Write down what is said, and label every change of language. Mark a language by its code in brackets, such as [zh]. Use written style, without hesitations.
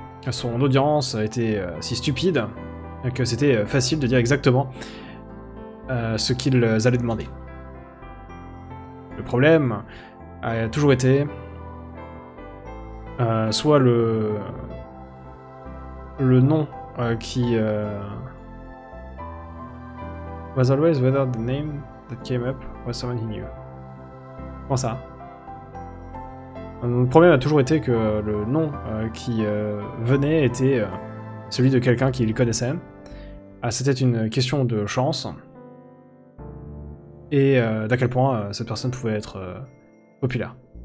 [fr] Son audience était si stupide que c'était facile de dire exactement ce qu'ils allaient demander. Le problème a toujours été soit le nom qui... [en] was always whether the name that came up was someone he knew. [fr] Comment ça? Le problème a toujours été que le nom qui venait était celui de quelqu'un qu'il connaissait. C'était une question de chance. Et d'à quel point cette personne pouvait être populaire.